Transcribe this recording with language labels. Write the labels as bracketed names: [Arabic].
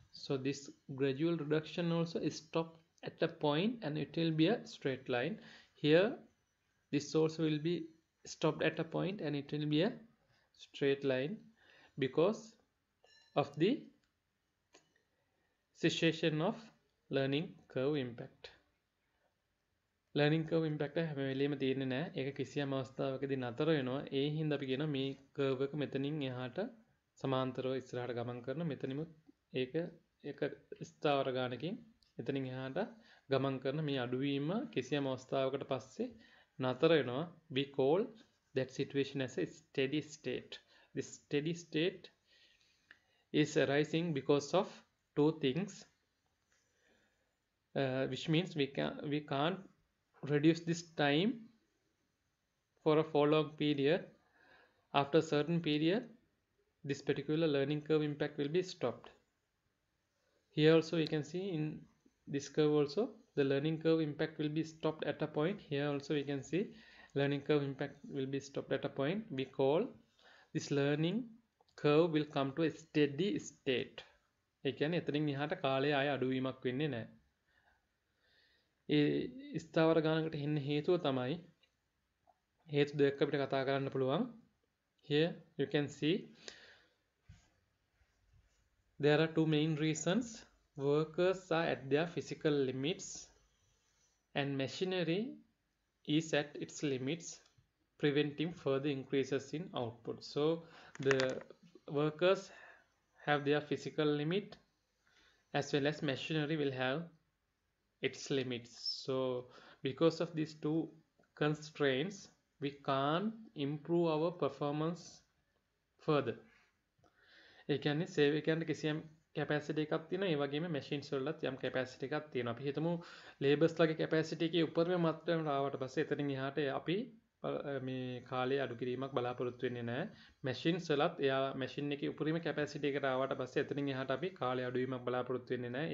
[English] So this gradual reduction also is stopped at a point, and it will be a straight line. Here, this also will be stopped at a point, and it will be a straight line because of the cessation of learning curve impact. [Sinhala] Learning curve impact හැම වෙලෙම තියෙන්නේ නැහැ. ඒක කිසියම් අවස්ථාවකදී නතර වෙනවා. ඒ හින්දා අපි කියනවා මේ curve එක මෙතනින් එහාට සමාන්තරව ඉස්සරහට ගමන් කරන මෙතනිමුත් ඒක එක ස්ථාවර ගානකින් එතනින් එහාට ගමන් කරන මේ අඩුවීම කිසියම් අවස්ථාවකට පස්සේ නතර වෙනවා. [English] We call that situation as a steady state. This steady state is arising because of two things, which means we can't reduce this time for a prolonged period. After a certain period, this particular learning curve impact will be stopped. Here also we can see in this curve also the learning curve impact will be stopped at a point. Here also we can see learning curve impact will be stopped at a point. We call this learning curve will come to a steady state. [Sinhala] ඒ කියන්නේ එතනින් එහාට කාලය ආය අඩුවීමක් වෙන්නේ නැහැ. ඒ ස්ථාවර ගානකට හින්න හේතුව තමයි හේතු දෙක අපිට කතා කරන්න පුළුවන්. [English] Here you can see there are two main reasons. Workers are at their physical limits and machinery is at its limits, preventing further increases in output. So the workers have their physical limit as well as machinery will have its limits. So because of these two constraints, we can't improve our performance further. [Sinhala] ඒ කියන්නේ සේවය කියන්නේ කිසියම් capacity එකක් තියෙනවා. ඒ වගේම machines වලත් යම් capacity එකක් තියෙනවා. අපි හිතමු ලේබර්ස් ලාගේ කැපැසිටි එකේ උඩම මට්ටම ආවට පස්සේ එතනින් එහාට අපි මේ කාලේ අඩු කිරීමක් බලාපොරොත්තු වෙන්නේ නැහැ. මැෂින්ස් වලත් එයා මැෂින් එකේ උඩම කැපැසිටි එකට ආවට පස්සේ එතනින් එහාට අපි කාලේ අඩුවීමක් බලාපොරොත්තු වෙන්නේ නැහැ.